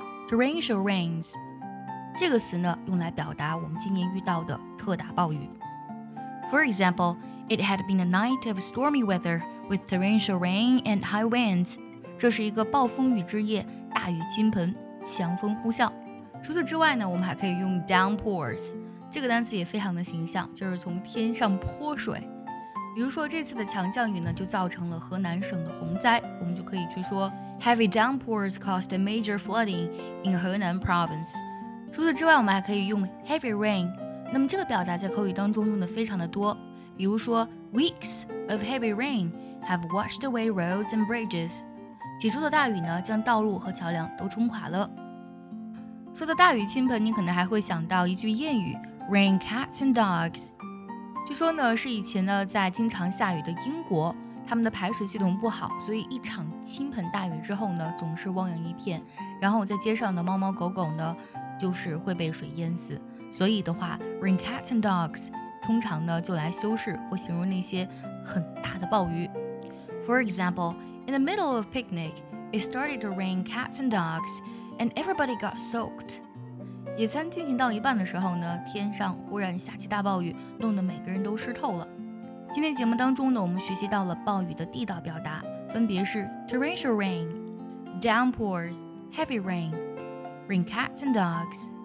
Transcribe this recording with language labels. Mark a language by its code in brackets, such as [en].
[en] torrential rains [zh] 这个词呢，用来表达我们今年遇到的特大暴雨。 [en] For example, it had been a night of stormy weather with torrential rain and high winds. [zh] 这是一个暴风雨之夜，大雨倾盆，强风呼啸。除此之外呢，我们还可以用 downpours， 这个单词也非常的形象，就是从天上泼水。比如说这次的强降雨呢，就造成了河南省的洪灾，我们就可以去说 [en] heavy downpours caused a major flooding in Henan province。 [zh] 除此之外，我们还可以用 heavy rain， 那么这个表达在口语当中用的非常的多，比如说 [en] weeks of heavy rain have washed away roads and bridges， [zh] 起初的大雨呢，将道路和桥梁都冲垮了。说到大雨倾盆，你可能还会想到一句谚语 [en] Rain cats and dogs。 [zh] 据说呢，是以前呢在经常下雨的英国，他们的排水系统不好，所以一场倾盆大雨之后呢，总是汪洋一片，然后在街上的猫猫狗狗呢，就是会被水淹死。所以的话 [en] Rain cats and dogs [zh] 通常呢就来修饰或形容那些很大的暴雨。 [en] For exampleIn the middle of picnic, it started to rain cats and dogs, and everybody got soaked. [zh] 野餐进行到一半的时候呢，天上忽然下起大暴雨，弄得每个人都湿透了。今天节目当中呢，我们学习到了暴雨的地道表达，分别是 [en] torrential rain, downpours, heavy rain, rain cats and dogs.